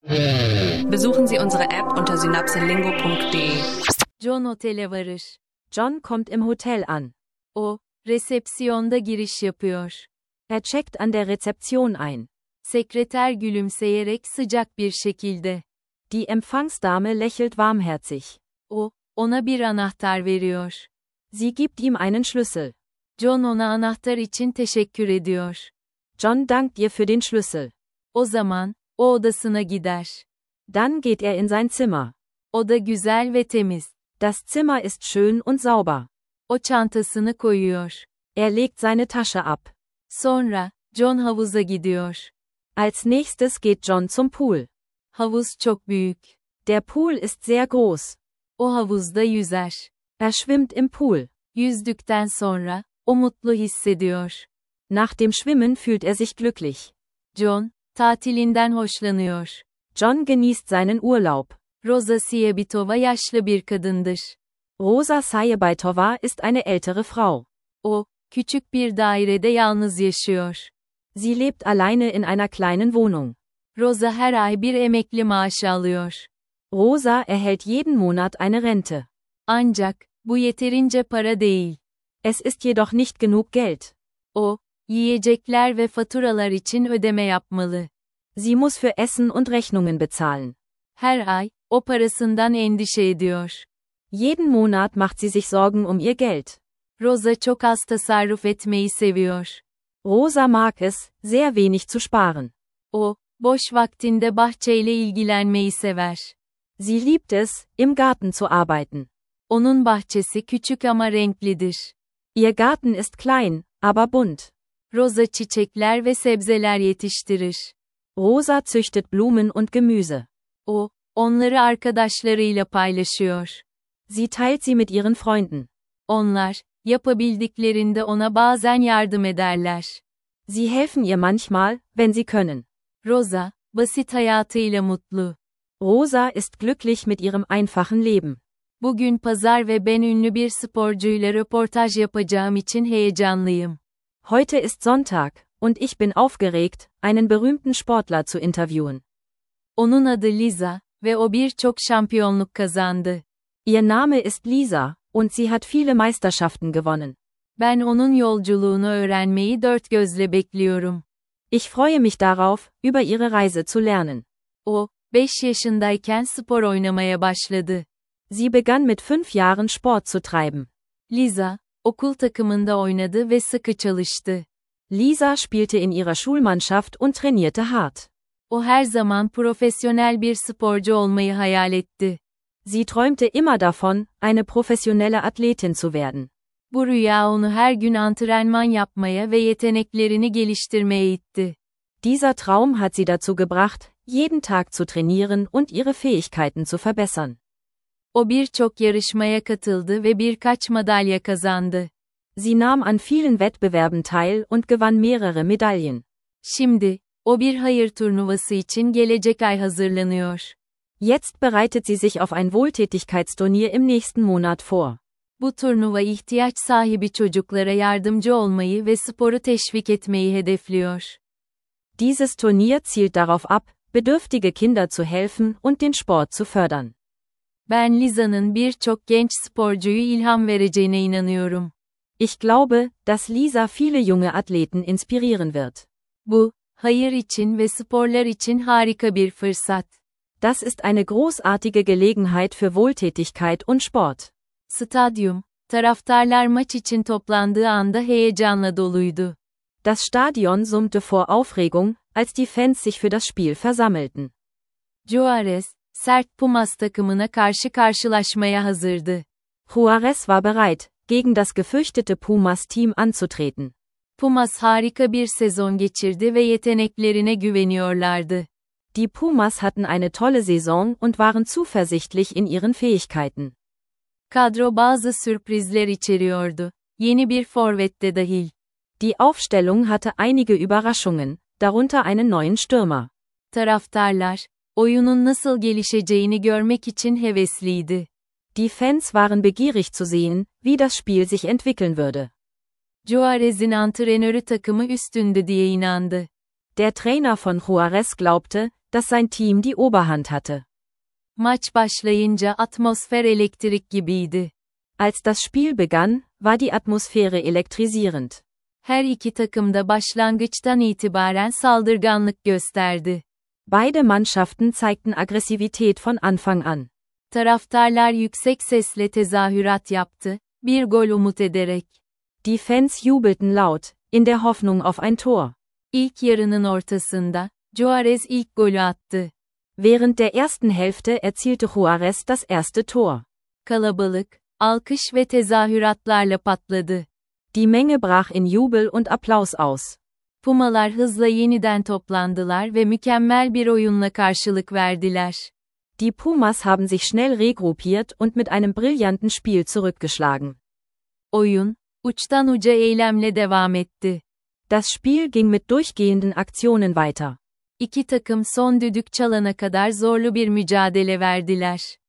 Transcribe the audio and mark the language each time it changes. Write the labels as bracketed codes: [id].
[de] Besuchen Sie unsere App unter synapselingo.de. [tr] John otele varır. [de] John kommt im Hotel an. [tr] O, resepsiyonda giriş yapıyor. [de] Er checkt an der Rezeption ein. [tr] Sekreter gülümseyerek sıcak bir şekilde. [de] Die Empfangsdame lächelt warmherzig. [tr] O, ona bir anahtar veriyor. [de] Sie gibt ihm einen Schlüssel. [tr] John ona anahtar için teşekkür ediyor. [de] John dankt ihr für den Schlüssel. [tr] O zaman, o odasına gider. [de] Dann geht in sein Zimmer. [tr] Oda güzel ve temiz. [de] Das Zimmer ist schön und sauber. [tr] O çantasını koyuyor. [de] Legt seine Tasche ab. [tr] Sonra, John havuza gidiyor. [de] Als nächstes geht John zum Pool. [tr] Havuz çok büyük. [de] Der Pool ist sehr groß. [tr] O havuzda yüzer. [de] Schwimmt im Pool. [tr] Yüzdükten sonra, o mutlu hissediyor. [de] Nach dem Schwimmen fühlt sich glücklich. [tr] John, tatilinden hoşlanıyor. [de] John genießt seinen Urlaub. [tr] Rosa Siebitova yaşlı bir kadındır. [de] Rosa Siebitova ist eine ältere Frau. [tr] O, küçük bir dairede yalnız yaşıyor. [de] Sie lebt alleine in einer kleinen Wohnung. [tr] Rosa her ay bir emekli maaşı alıyor. [de] Rosa erhält jeden Monat eine Rente. [tr] Ancak, bu yeterince para değil. [de] Es ist jedoch nicht genug Geld. [tr] O, yiyecekler ve faturalar için ödeme yapmalı. [de] Sie muss für Essen und Rechnungen bezahlen. [tr] Her ay, o parasından endişe ediyor. [de] Jeden Monat macht sie sich Sorgen ihr Geld. [tr] Rosa çok az tasarruf etmeyi seviyor. [de] Rosa mag es, sehr wenig zu sparen. [tr] O, boş vaktinde bahçeyle ilgilenmeyi sever. [de] Sie liebt es, im Garten zu arbeiten. [tr] Onun bahçesi küçük ama renklidir. [de] Ihr Garten ist klein, aber bunt. [tr] Rosa çiçekler ve sebzeler yetiştirir. [de] Rosa züchtet Blumen und Gemüse. [tr] O, onları arkadaşlarıyla paylaşıyor. [de] Sie teilt sie mit ihren Freunden. [tr] Onlar, yapabildiklerinde ona bazen yardım ederler. [de] Sie helfen ihr manchmal, wenn sie können. [tr] Rosa, basit hayatıyla mutlu. [de] Rosa ist glücklich mit ihrem einfachen Leben. [tr] Bugün pazar ve ben ünlü bir sporcuyla röportaj yapacağım için heyecanlıyım. [de] Heute ist Sonntag und ich bin aufgeregt, einen berühmten Sportler zu interviewen. [tr] Onun adı Lisa ve o birçok şampiyonluk kazandı. [de] Ihr Name ist Lisa und sie hat viele Meisterschaften gewonnen. [tr] Ben onun yolculuğunu öğrenmeyi dört gözle bekliyorum. [de] Ich freue mich darauf, über ihre Reise zu lernen. [tr] O, 5 yaşındayken spor oynamaya başladı. [de] Sie begann mit 5 Jahren Sport zu treiben. [tr] Lisa, okul takımında oynadı ve sıkı çalıştı. [de] Lisa spielte in ihrer Schulmannschaft und trainierte hart. [tr] O her zaman profesyonel bir sporcu olmayı hayal etti. [de] Sie träumte immer davon, eine professionelle Athletin zu werden. [tr] Bu rüya onu her gün antrenman yapmaya ve yeteneklerini geliştirmeye itti. [de] Dieser Traum hat sie dazu gebracht, jeden Tag zu trainieren und ihre Fähigkeiten zu verbessern. [tr] O birçok yarışmaya katıldı ve birkaç madalya kazandı. [de] Sie nahm an vielen Wettbewerben teil und gewann mehrere Medaillen. [tr] Şimdi, o bir hayır turnuvası için gelecek ay hazırlanıyor. [de] Jetzt bereitet sie sich auf ein Wohltätigkeitsturnier im nächsten Monat vor. [tr] Bu turnuva ihtiyaç sahibi çocuklara yardımcı olmayı ve sporu teşvik etmeyi hedefliyor. [de] Dieses Turnier zielt darauf ab, bedürftige Kinder zu helfen und den Sport zu fördern. [tr] Ben Lisa'nın birçok genç sporcuyu ilham vereceğine inanıyorum. [de] Ich glaube, dass Lisa viele junge Athleten inspirieren wird. [tr] Bu, hayır için ve sporlar için harika bir fırsat. [de] Das ist eine großartige Gelegenheit für Wohltätigkeit und Sport. [tr] Stadyum, taraftarlar maç için toplandığı anda heyecanla doluydu. [de] Das Stadion summte vor Aufregung, als die Fans sich für das Spiel versammelten. [tr] Juarez, sert Pumas takımına karşı karşılaşmaya hazırdı. [de] Juarez war bereit, gegen das gefürchtete Pumas-Team anzutreten. [tr] Pumas harika bir sezon geçirdi ve yeteneklerine güveniyorlardı. [de] Die Pumas hatten eine tolle Saison und waren zuversichtlich in ihren Fähigkeiten. [tr] Kadro bazı sürprizler içeriyordu. Yeni bir forvet de dahil. [de] Die Aufstellung hatte einige Überraschungen, darunter einen neuen Stürmer. [tr] Taraftarlar, oyunun nasıl gelişeceğini görmek için hevesliydi. [de] Die Fans waren begierig zu sehen, wie das Spiel sich entwickeln würde. [tr] Juarez'in antrenörü takımı üstündü diye inandı. [de] Der Trainer von Juarez glaubte, dass sein Team die Oberhand hatte. [tr] Maç başlayınca atmosfer elektrik gibiydi. [de] Als das Spiel begann, war die Atmosphäre elektrisierend. [tr] Her iki takım da başlangıçtan itibaren saldırganlık gösterdi. [de] Beide Mannschaften zeigten Aggressivität von Anfang an. [tr] Taraftarlar yüksek sesle tezahürat yaptı, bir gol umut ederek. [de] Die Fans jubelten laut, in der Hoffnung auf ein Tor. [tr] İlk yarının ortasında, Juarez ilk golü attı. [de] Während der ersten Hälfte erzielte Juarez das erste Tor. [tr] Kalabalık, alkış ve tezahüratlarla patladı. [de] Die Menge brach in Jubel und Applaus aus. [tr] Pumalar hızla yeniden toplandılar ve mükemmel bir oyunla karşılık verdiler. [de] Die Pumas haben sich schnell regruppiert und mit einem brillanten Spiel zurückgeschlagen. [tr] Oyun, uçtan uca eylemle devam etti. [de] Das Spiel ging mit durchgehenden Aktionen weiter. [tr] İki takım son düdük çalana kadar zorlu bir mücadele verdiler.